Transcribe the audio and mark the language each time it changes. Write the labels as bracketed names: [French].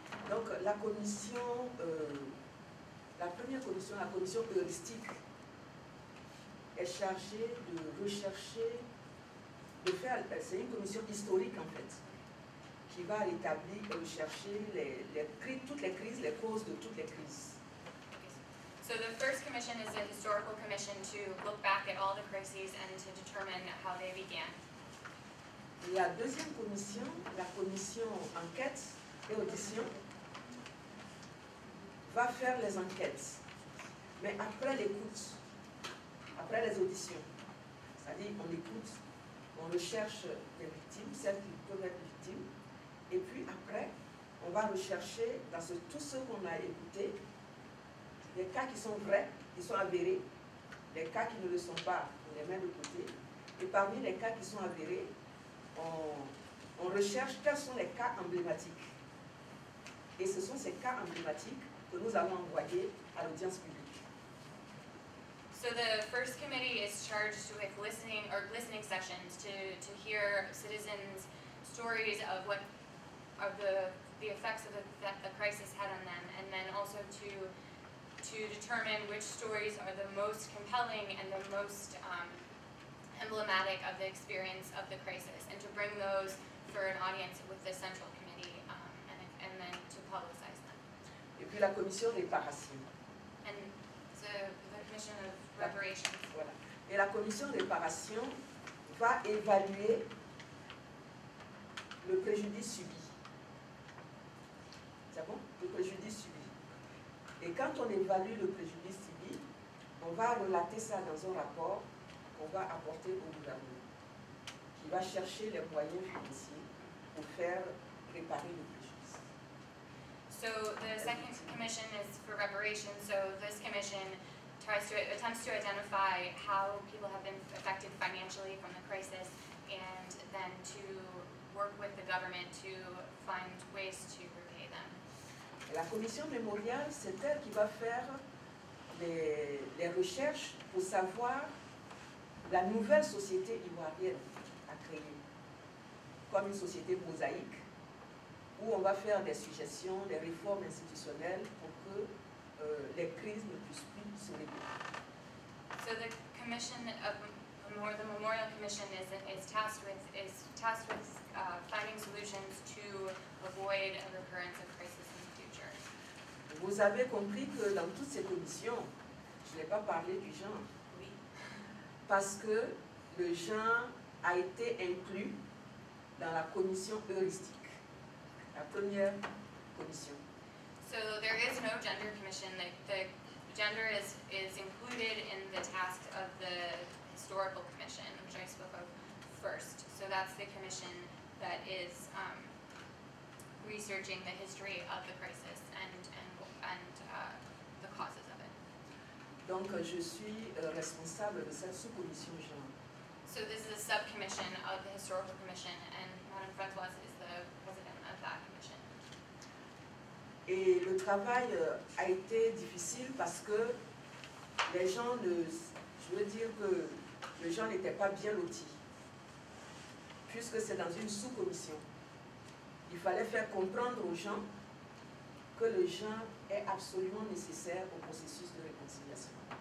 [French] Donc la commission, la première commission, la commission heuristique, est chargée de rechercher, de faire, c'est une commission historique en fait, qui va rétablir, rechercher toutes les crises, les causes de toutes les crises. [English] So the first commission is a historical commission to look back at all the crises and to determine how they began. [French] La deuxième commission, la commission enquête et audition, va faire les enquêtes, mais après l'écoute, après les auditions, c'est-à-dire on écoute, on recherche les victimes, celles qui peuvent être victimes, et puis après, on va rechercher dans tous ceux qu'on a écoutés, les cas qui sont vrais, qui sont avérés, les cas qui ne le sont pas, on les met de côté, et parmi les cas qui sont avérés, on recherche quels sont les cas emblématiques. Et ce sont ces cas emblématiques que nous allons envoyer à l'audience publique. [English] So the first committee is charged with listening sessions to hear citizens' stories of what of the effects of that the crisis had on them, and then also to determine which stories are the most compelling and the most emblematic of the experience of the crisis, and to bring those for an audience with the central committee, and then to publicize them. [French] Et puis la commission réparation. [English] And so the commission of reparations. [French] Voilà. Et la commission réparation va évaluer le préjudice subi. C'est bon? Le préjudice subi. Et quand on évalue le préjudice subi, on va relater ça dans un rapport qu'on va apporter au gouvernement, qui va chercher les moyens financiers pour faire réparer le préjudice. [English] So the second commission is for reparations. So this commission attempts to identify how people have been affected financially from the crisis, and then to work with the government to find ways to repay them. [French] La commission mémoriale, c'est elle qui va faire les recherches pour savoir la nouvelle société ivoirienne à créer, comme une société mosaïque, où on va faire des suggestions, des réformes institutionnelles pour que les crises ne puissent plus se répéter. [English] So the commission of the memorial commission is tasked with finding solutions to avoid a recurrence of crisis in the future. [French] Vous avez compris que dans toutes ces commissions, je n'ai pas parlé du genre. Parce que le genre a été inclus dans la commission heuristique, la première commission. [English] So there is no gender commission. The gender is included in the task of the historical commission, which I spoke of first. So that's the commission that is researching the history of the crisis and the causes. [French] Donc, je suis responsable de cette sous-commission genre. [English] So this is a sub-commission of the historical commission, and Madame Francoise is the president of that commission. [French] Et le travail a été difficile parce que les gens ne... Je veux dire que les gens n'étaient pas bien lotis. Puisque c'est dans une sous-commission, il fallait faire comprendre aux gens que le genre est absolument nécessaire au processus de réconciliation.